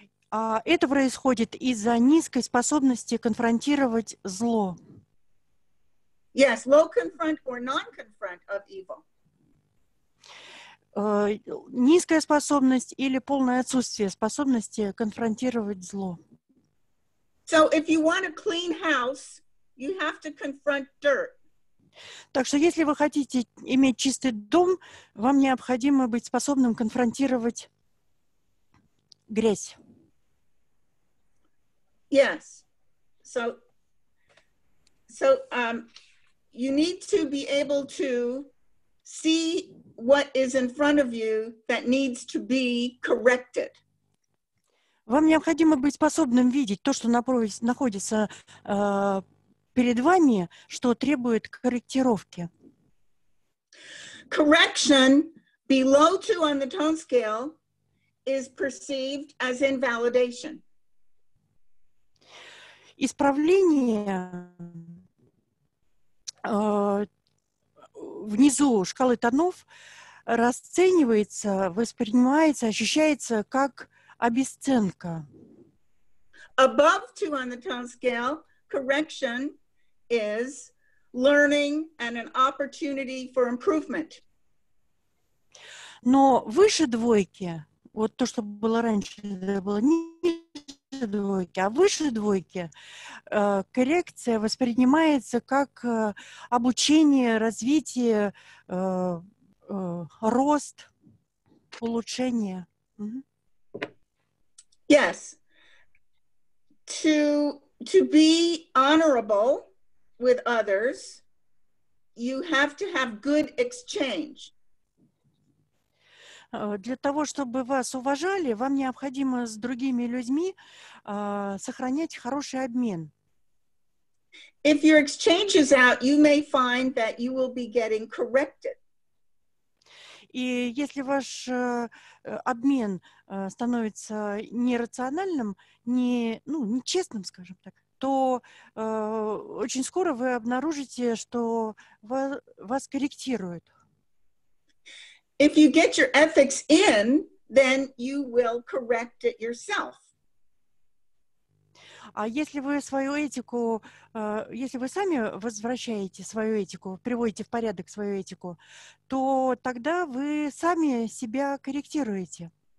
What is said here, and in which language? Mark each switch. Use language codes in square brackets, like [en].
[ru] Это происходит из-за низкой способности конфронтировать зло. [en] Yes, low confront or non-confront of evil. [ru] Низкая способность или полное отсутствие способности конфронтировать зло. [en] So if you want a clean house, you have to confront dirt. [ru] Так что если вы хотите иметь чистый дом, вам необходимо быть способным конфронтировать грязь. [en] Yes. So you need to be able to see what is in front of you that needs to be corrected. [ru] Вам необходимо быть способным видеть то, что находится перед вами, что требует корректировки. [en] Correction below two on the tone scale is perceived as invalidation. [ru] Исправление внизу шкалы тонов расценивается, воспринимается, ощущается как обесценка. [en] Above two on the tone scale, correction is learning and an opportunity for improvement. [ru] Но выше двойки, вот то, что было раньше, это было ниже двойки, а выше двойки коррекция воспринимается как обучение, развитие, рост, улучшение. [en] Yes. To be honorable with others, you have to have good exchange. [ru] Для того, чтобы вас уважали, вам необходимо с другими людьми сохранять хороший обмен. [en] If your exchange is out, you may find that you will be getting corrected. [ru] И если ваш обмен становится нерациональным, нечестным, скажем так, то очень скоро вы обнаружите, что вас корректируют. [en] If you get your ethics in, then you will correct it yourself. [ru] А если вы свою этику, если вы сами возвращаете свою этику, приводите в порядок свою этику, то тогда вы сами себя корректируете.